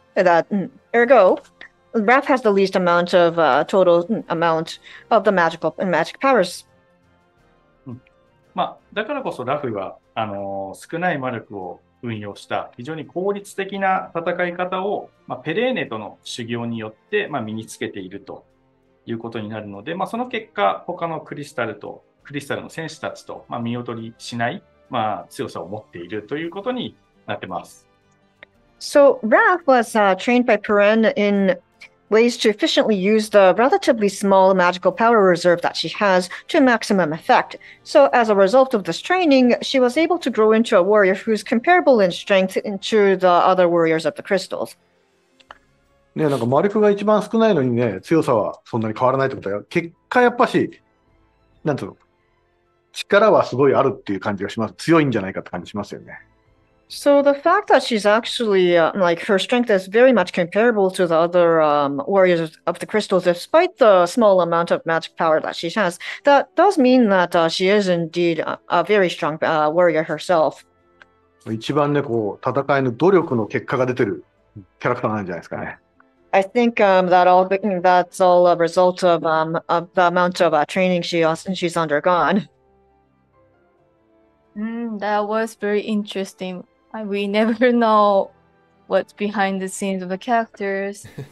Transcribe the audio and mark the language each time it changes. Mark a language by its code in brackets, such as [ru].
[en] Ergo. Raph has the least amount of total amount of the magic powers. [ja] まあ、だからこそラフは少ない魔力を運用した非常に効率的な戦い方を、まあ、ペレーネとの修行によって、まあ、身につけているということになるので、まあ、その結果他のクリスタルの戦士たちと、まあ、見劣りしない、まあ、強さを持っているということになってます。 [en] So Raph was trained by Perrin inways to efficiently use the relatively small magical power reserve that she has to maximum effect. So as a result of this training, she was able to grow into a warrior who's comparable in strength to the other warriors of the crystals. [ja] ね、なんか魔力が一番少ないのにね、強さはそんなに変わらないってことだよ。結果やっぱし、なんていうの、力はすごいあるっていう感じがします。強いんじゃないかって感じしますよね。 [en] So the fact that she's actually, like, her strength is very much comparable to the other warriors of the crystals, despite the small amount of magic power that she has, that does mean that she is indeed a very strong warrior herself. [ja] 一番ね、こう、戦いの努力の結果が出てるキャラクターなんじゃないですかね。 [en] I think that's all a result of the amount of training she's undergone. That was very interesting. We never know what's behind the scenes of the characters.